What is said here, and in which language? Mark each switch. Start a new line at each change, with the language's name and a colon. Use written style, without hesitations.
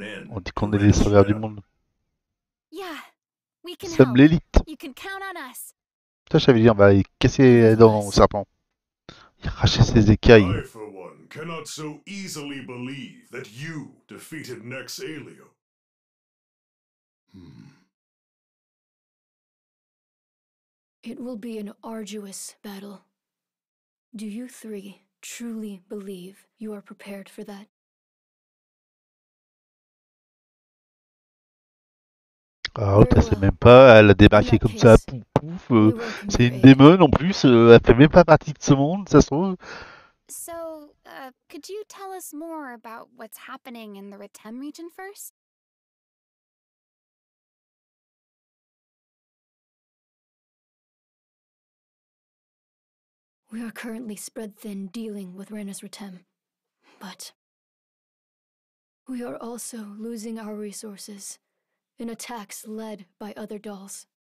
French: On dit qu'on est les sauveurs du monde. Nous sommes l'élite. Putain, j'avais dit, on va casser les dents au serpent. Il rachète ses écailles.
English: I, for one, cannot so easily believe that you defeated Nex Aelio. It will be an arduous battle. Do you three truly believe you are prepared for that?
French: Ah, oh, c'est même pas, elle a débarqué comme ça, pouf pouf, c'est une démon en plus, elle fait même pas partie de ce monde, ça se trouve.
English: So, could you tell us more about what's happening in the Ritem region first? We are currently spread thin dealing with Rhaenys Ritem, but we are also losing our resources in attacks led by other dolls.